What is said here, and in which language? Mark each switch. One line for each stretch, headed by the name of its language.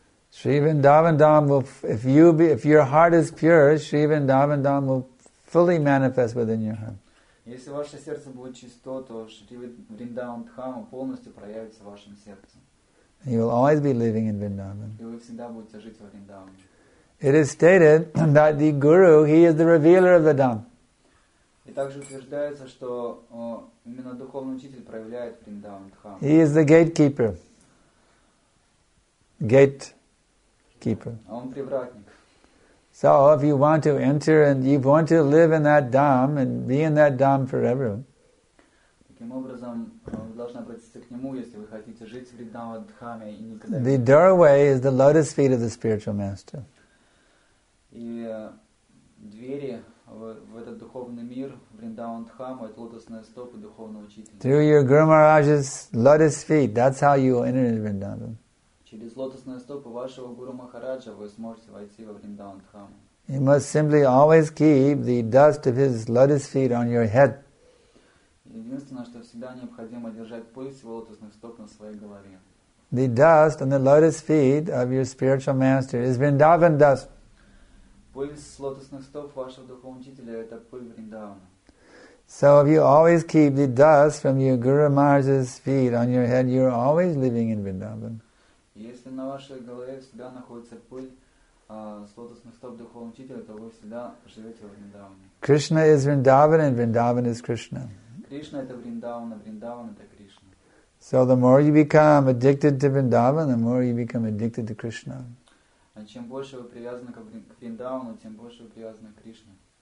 English: Shri Vrindavan Dham will, if your heart is pure, Shri Vrindavan Dham will fully manifest within your heart.
Russian: Если ваше сердце будет чисто, то Шри Вриндаван Дхама полностью проявится в вашем сердце.
English: You will always be living in Vrindavan.
Russian: И вы всегда будете жить в Вриндаване.
English: It is stated that the Guru, he is the revealer of the Dham.
Russian: И также утверждается, что именно духовный учитель проявляет Вриндаван Дхама.
English: He is the gatekeeper. Gatekeeper.
Russian: Он привратник.
English: So if you want to enter and you want to live in that Dham and be in that Dham forever.
Russian: Таким образом, вы должны обратиться к нему, если вы хотите жить в Вриндаван Дхаме и никогда.
English: The doorway is the lotus feet of the spiritual master.
Russian: И двери в этот духовный мир, Вриндаван Дхаму, это лотосные стопы духовного учителя.
English: Through your Guru Maharaj's lotus feet, that's how you enter into Vrindavan.
Russian: Через лотосные стопы вашего Гуру Махараджа вы сможете войти во Вриндаван Дхаму.
English: You must simply always keep the dust of his lotus feet on your head.
Russian: Единственное, что всегда необходимо держать пыль с его лотосных стоп на своей голове.
English: The dust on the lotus feet of your spiritual master is Vrindavan dust.
Russian: Пыль с лотосных стоп вашего духовного учителя это пыль Вриндавана.
English: So if you always keep the dust from your Guru Maharaj's feet on your head, you're always living in Vrindavan.
Russian: Если на вашей голове всегда находится пыль с лотосных стоп духовного учителя, то вы всегда живете в Вриндаване.
English: Krishna is Vrindavan and Vrindavan is Krishna.
Russian: Кришна это Вриндаван, а Вриндаван это Кришна.
English: So the more you become addicted to Vrindavan, the more you become addicted to Krishna.
Russian: А чем больше вы привязаны к Вриндавану, тем больше вы привязаны к Кришне.